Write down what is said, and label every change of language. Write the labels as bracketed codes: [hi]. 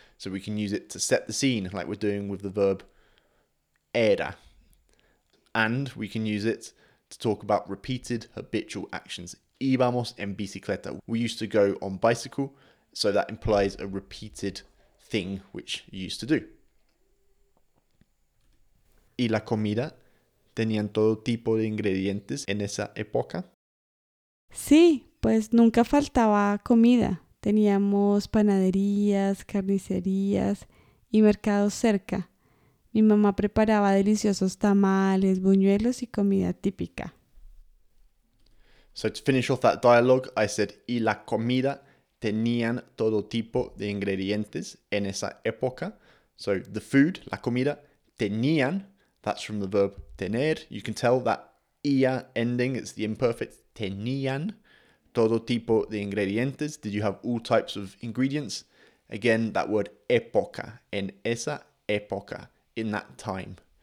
[en] So we can use it to set the scene, like we're doing with the verb era. And we can use it to talk about repeated habitual actions. [es] Íbamos en bicicleta. [en] We used to go on bicycle, so that implies a repeated thing which you used to do. [es] ¿Y la comida? ¿Tenían todo tipo de ingredientes en esa época? Sí, pues nunca faltaba comida. Teníamos panaderías, carnicerías y mercados cerca. Mi mamá preparaba deliciosos tamales, buñuelos y comida típica. [en] So to finish off that dialogue, I said, [es] ¿Y la comida? ¿Tenían todo tipo de ingredientes en esa época? [en] So the food, [es] la comida, [en] tenían, that's from the verb tener. You can tell that ia ending, it's the imperfect, tenían. [es] Todo tipo de ingredientes. [en] Did you have all types of ingredients? Again, that word época. [es] En esa época. [en] In that time.